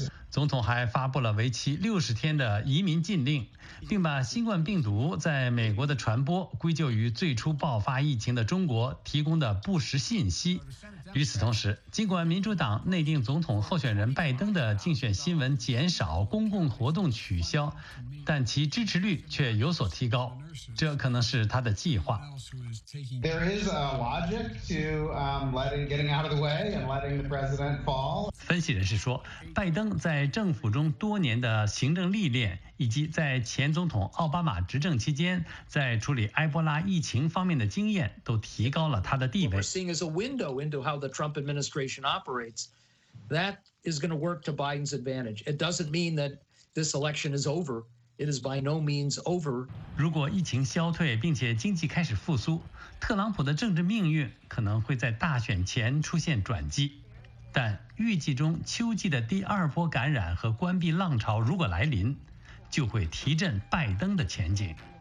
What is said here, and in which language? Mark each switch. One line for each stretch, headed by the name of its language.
Chinese: 总统还发布了为期60天的移民禁令，并把新冠病毒在美国的传播归咎于最初爆发疫情的中国提供的不实信息。与此同时，尽管民主党内定总统候选人拜登的竞选新闻减少、公共活动取消，但其支持率却有所提高，这可能是他的计划。
English: There is a logic to getting out of the way and letting the president fall.
Chinese: 分析人士说，拜登在政府中多年的行政历练，以及在前总统奥巴马执政期间在处理埃博拉疫情方面的经验，都提高了他的地位。
English: What we're seeing is a window into how the Trump administration operates. That is going to work to Biden's advantage. It doesn't mean that this election is over. It is by no means over.
Chinese: 如果疫情消退并且经济开始复苏，特朗普的政治命运可能会在大选前出现转机。但预计中秋季的第二波感染和关闭浪潮如果来临，就会提振拜登的前景。